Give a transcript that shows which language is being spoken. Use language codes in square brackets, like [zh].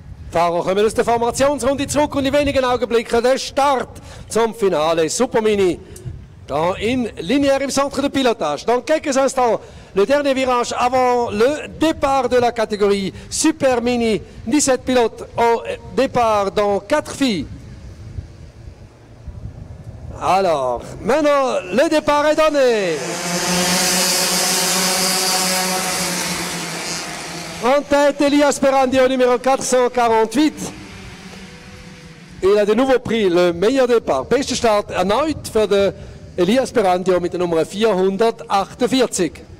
[de] Fahrer kommen aus der Formationsrunde zurück und in wenigen Augenblicken der Start zum Finale Supermini. Da in Linière im Centre de Pilotage. [fr] Dans quelques instants, le dernier virage avant le départ de la catégorie Supermini. 17 pilotes au départ dans 4 filles. Alors, maintenant, le départ est donné. En tête, Elias Berandio, numéro 448. Il a de nouveau pris le meilleur départ. [de] Beste Start erneut für den Elias Berandio mit der Nummer 448.